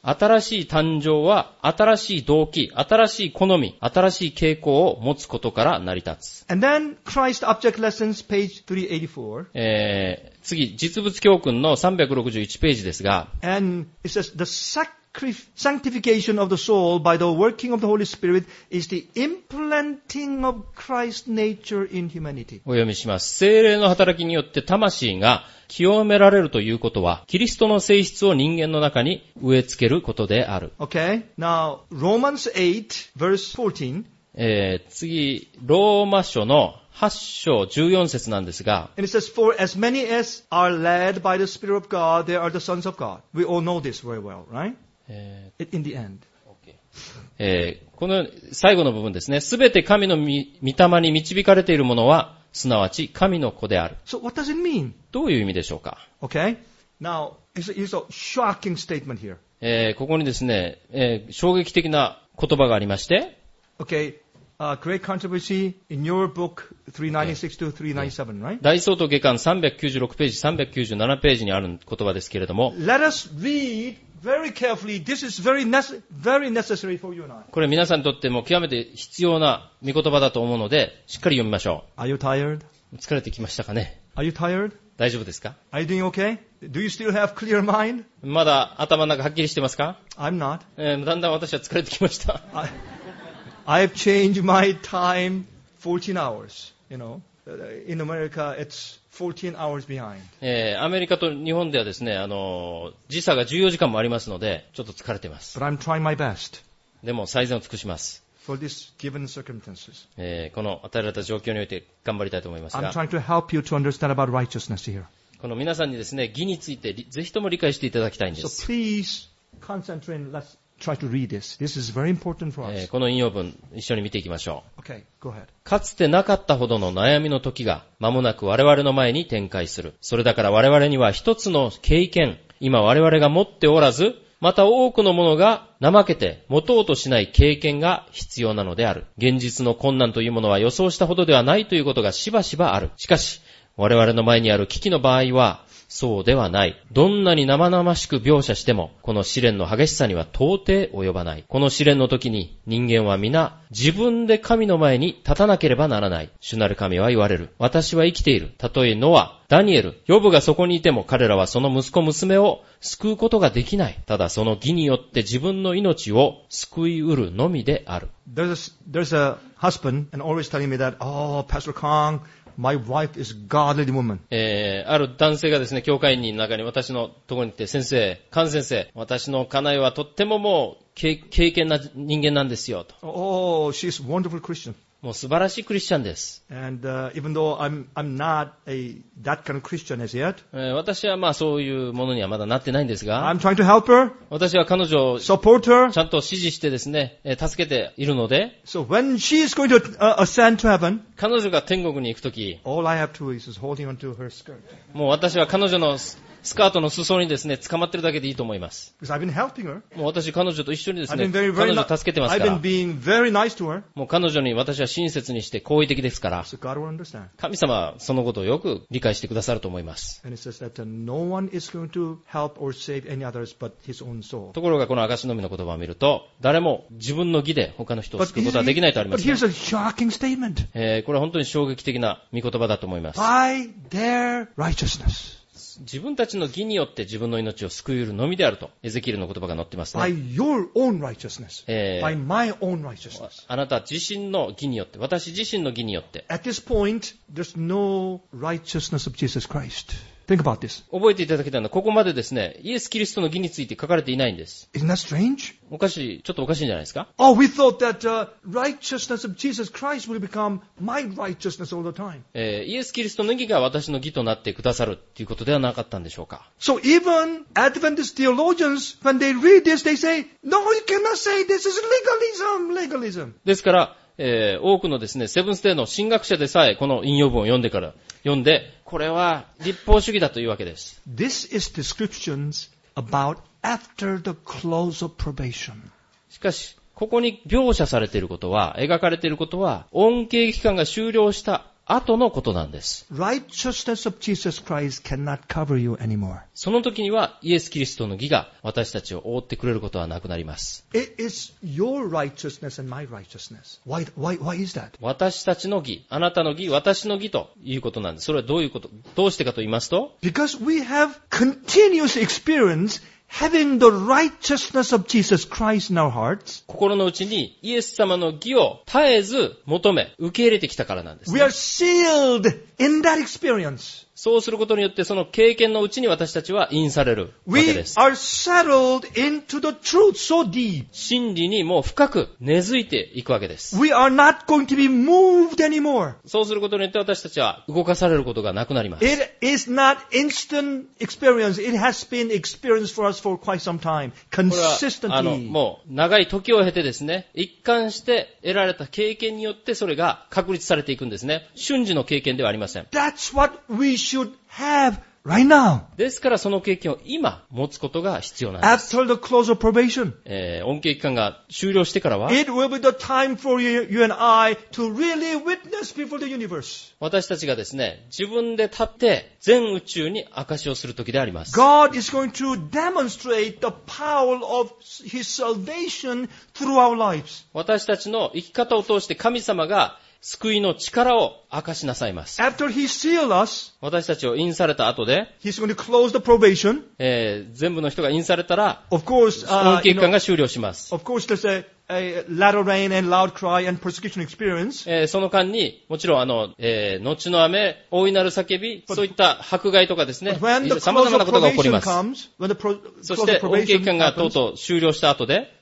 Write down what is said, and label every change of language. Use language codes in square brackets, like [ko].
[ja] 新しい誕生は、新しい動機、新しい好み、新しい傾向を持つことから成り立つ。 [en] And then, Christ Object Lessons, page 384. [ja] 次、実物教訓の361ページですが、 [en] And it says, the sanctification of the soul by the working of the Holy Spirit is the implanting of Christ's nature in humanity. [ja] お読みします。聖霊の働きによって魂が清められるということは、キリストの性質を人間の中に植え付けることである。 [en] Okay. Now, Romans 8, verse 14. 次、ローマ書の8章14節なんですが、 And it says, for as many as are led by the Spirit of God, they are the sons of God. We all know this very well, right? In the end. Okay. [ja] この最後の部分ですね。すべて神の御霊に導かれているものは、すなわち神の子である。 [en] So what does it mean? [ja] どういう意味でしょうか? [en] Okay. Now, it's a shocking statement here. [ja] ここにですね、衝撃的な言葉がありまして。 [en] Okay. great controversy in your book 396 to 397, right? [ja] 大総統下巻396ページ、397ページにある言葉ですけれども。これ皆さんにとっても極めて必要な御言葉だと思うので、しっかり読みましょう。 [en] Are you tired? [ja] 疲れてきましたかね。 [en] Are you tired? [ja] 大丈夫ですか? [en] Are you doing okay? Do you still have clear mind? [ja] まだ頭の中はっきりしてますか? [en] I'm not. [ja] だんだん私は疲れてきました。 [en] I've changed my time 14 hours, you know. In America, it's 14 hours behind. [ja] アメリカと日本ではですね、時差が14時間もありますので、ちょっと疲れています。 [en] But I'm trying my best. [ja] でも最善を尽くします。 [en] For this given circumstances. [ja] この与えられた状況において頑張りたいと思いますが。 [en] I'm trying to help you to understand about righteousness here. [ja] この皆さんにですね、義についてぜひとも理解していただきたいんです。 [en] So please concentrate and let's try to read this. This is very important for us. [ja] この引用文一緒に見ていきましょう。 Okay, go ahead. かつてなかったほどの悩みの時が間もなく我々の前に展開する。それだから我々には一つの経験、今我々が持っておらず、また多くのものが怠けて持とうとしない経験が必要なのである。現実の困難というものは予想したほどではないということがしばしばある。しかし、我々の前にある危機の場合はそうではない。どんなに生々しく描写しても、この試練の激しさには到底及ばない。この試練の時に人間は皆自分で神の前に立たなければならない。主なる神は言われる。私は生きている。たとえノア、ダニエル、ヨブがそこにいても彼らはその息子娘を救うことができない。ただその義によって自分の命を救い得るのみである。 [en] There's a husband and always telling me that, oh, Pastor Kong,My wife is godly woman. [ja] ある男性がですね、教会員の中に私のところに来て、先生、カン先生、私の家内はとってももう経験な人間なんですよと。 [en] Oh, she's wonderful Christian. [ja] もう素晴らしいクリスチャンです。 [en] And even though I'm not a that kind of Christian as yet. [ja] 私はまあそういうものにはまだなってないんですが。 [en] I'm trying to help her. [ja] 私は彼女を [en] support her. [ja] ちゃんと支持してですね、助けているので。 [en] So when she's going to ascend to heaven. [ja] 彼女が天国に行くとき。 [en] All I have to do is holding onto her skirt. [ja] もう私は彼女のスカートの裾にですね、捕まってるだけでいいと思います。 [en] Because I've been helping her. [ja] もう私、彼女と一緒にですね、彼女を助けてますから。 [en] I've been being very nice to her. [ja] もう彼女に私は親切にして好意的ですから。 [en] So God will understand. [ja] 神様はそのことをよく理解してくださると思います。 [en] And it says that no one is going to help or save any others but his own soul. [ja] ところがこの証の御の言葉を見ると、誰も自分の義で他の人を救うことはできないとありますね。 [en] But here's a shocking statement. [ja] これは本当に衝撃的な御言葉だと思います。 [en] By their righteousness. [ja] 自分たちの義によって自分の命を救えるのみであるとエゼキエルの言葉が載ってますね。 [en] By your own righteousness. By my own righteousness. [ja] あなた自身の義によって、私自身の義によって。 [en] At this point, there's no righteousness of Jesus Christ. Think about this. [ja] 覚えていただけたのはここまでですね、イエス・キリストの義について書かれていないんです。 [en] Isn't that strange? [ja] おかしい、ちょっとおかしいんじゃないですか? [en] Oh, we thought that righteousness of Jesus Christ will become my righteousness all the time. [ja] イエス・キリストの義が私の義となってくださるということではなかったんでしょうか? [en] So even Adventist theologians, when they read this, they say, No, you cannot say this is legalism, legalism. [ja] ですから、多くのですね、セブンステイの神学者でさえ、この引用文を読んでから、読んで、これは立法主義だというわけです。 [en] This is descriptions about after the close of probation. [ja] しかし、ここに描写されていることは、描かれていることは、恩恵期間が終了した後のことなんです。 [en] Righteousness of Jesus Christ cannot cover you anymore. [ja] その時には、イエス・キリストの義が私たちを覆ってくれることはなくなります。 [en] It is your righteousness and my righteousness. Why is that? [ja] 私たちの義、あなたの義、私の義ということなんです。それはどういうこと、どうしてかと言いますと、 [en] Because we have continuous experience having the righteousness of Jesus Christ in our hearts. [ja] 心のうちにイエス様の義を絶えず求め、受け入れてきたからなんです、ね。 [en] We are sealed in that experience. [ja] そうすることによってその経験のうちに私たちは印されるわけです。 [en] We are settled into the truth so deep. [ja] 真理にもう深く根付いていくわけです。 [en] We are not going to be moved anymore. [ja] そうすることによって私たちは動かされることがなくなります。 [en] It is not instant experience. It has been experienced for us for quite some time. Consistently. [ja] これはもう長い時を経てですね、一貫して得られた経験によってそれが確立されていくんですね。瞬時の経験ではありません。 [en] That's what we should have right now. [ja] ですからその経験を今持つことが必要なんです。 [en] After the close of probation. [ja] 恩恵期間が終了してからは。 [en] It will be the time for you and I to really witness before the universe. [ja] 私たちがですね、自分で立って全宇宙に証しをする時であります。 [en] God is going to demonstrate the power of His salvation through our lives. [ja] 私たちの生き方を通して神様が救いの力を明かしなさいます。 [en] After he sealed us, [ja] 私たちを印された後で、 [en] he's going to close the probation. [ja] 全部の人が印されたら、 [en] of course, [ja] 恩恵期間が終了します。 [en] Of course, there's a latter rain and loud cry and persecution experience. [ja] その間にもちろん後の雨、大いなる叫び、そういった迫害とかですね、さまざまなことが起こります。そして恩恵期間がとうとう終了した後で、